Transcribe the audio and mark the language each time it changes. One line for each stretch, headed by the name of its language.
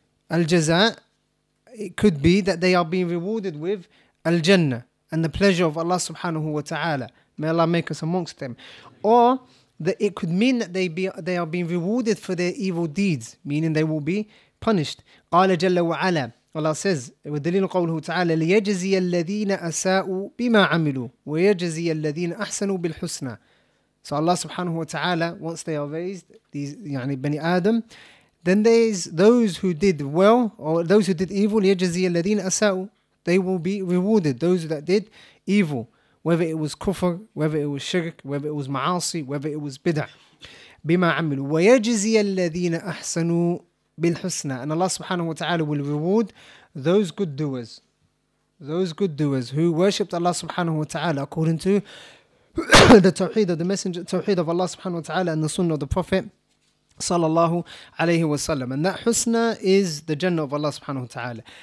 English: الجزاء, it could be that they are being rewarded with الجنة and the pleasure of Allah subhanahu wa ta'ala, may Allah make us amongst them. Or that it could mean that they are being rewarded for their evil deeds, meaning they will be punished.
Arabic: قال جل وعلا,
English: Allah says,
Arabic: وَدَلِيلُ قَوْلُهُ تَعَالَى لِيَجَزِيَ الَّذِينَ أَسَاءُوا بِمَا عَمِلُوا وَيَجَزِيَ الَّذِينَ أَحْسَنُوا بِالْحُسْنَى.
English: So Allah subhanahu wa ta'ala, once they are raised, these, يعني Bani Adam, then there's those who did well or those who did evil,
Arabic: يجزي الذين أساءوا,
English: they will be rewarded, those that did evil, whether it was kufr, whether it was shirk, whether it was ma'asi, whether it was bid'ah,
Arabic: بما عملوا ويجزي الذين أحسنوا بالحسنى,
English: and Allah subhanahu wa ta'ala will reward those good doers who worshipped Allah subhanahu wa ta'ala according to the tawheed of the messenger, tawheed of Allah subhanahu wa ta'ala and the sunnah of the prophet sallallahu alayhi wa sallam, and that husna is the jannah of Allah subhanahu wa ta'ala.